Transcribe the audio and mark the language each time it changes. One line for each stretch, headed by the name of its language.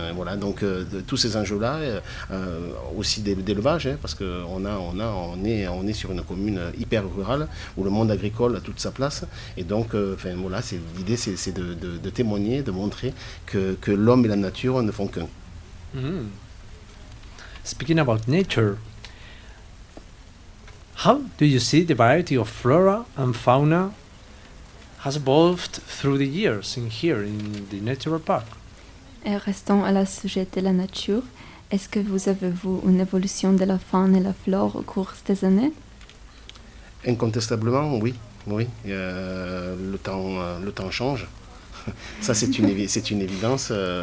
French: Voilà, donc tous ces enjeux-là, aussi d'élevage, parce que on est sur une commune hyper rurale où le monde agricole a toute sa place. Et donc voilà, l'idée c'est de témoigner, de montrer que l'homme et la nature ne font qu'un. Mm-hmm.
English: Speaking about nature, how do you see the variety of flora and fauna has evolved through the years in here in the natural park?
French: Et restant à la sujet de la nature, est-ce que vous avez vu une évolution de la faune et la flore au cours des années? Incontestablement, oui. Le temps change. Ça, c'est une évidence.